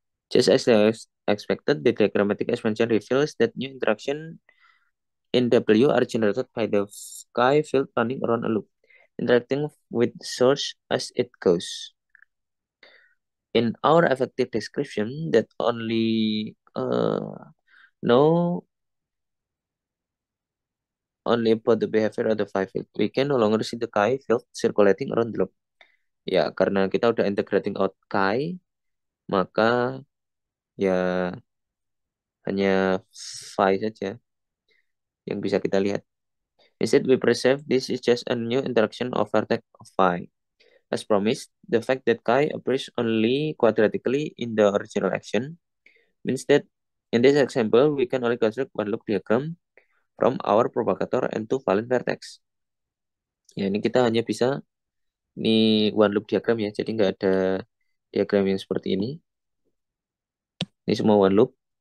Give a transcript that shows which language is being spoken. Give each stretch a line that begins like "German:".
English: Just as expected, the diagrammatic expansion reveals that new interaction in W are generated by the chi field running around a loop, interacting with source as it goes. In our effective description, that only know only about the behavior of the phi field, we can no longer see the chi field circulating around the loop.
Indonesian: Ya, karena kita udah
English: integrating out
Indonesian: chi, maka ya hanya phi saja yang bisa kita lihat.
English: Instead, we perceive this is just a new interaction of vertex of phi. As promised, the fact that chi appears only quadratically in the original action means that in this example, we can only construct one loop diagram from our propagator and two valent vertex.
Indonesian: Ya, ini kita hanya bisa ini one loop diagram ya, jadi nggak ada diagram yang seperti ini. Ini semua one loop.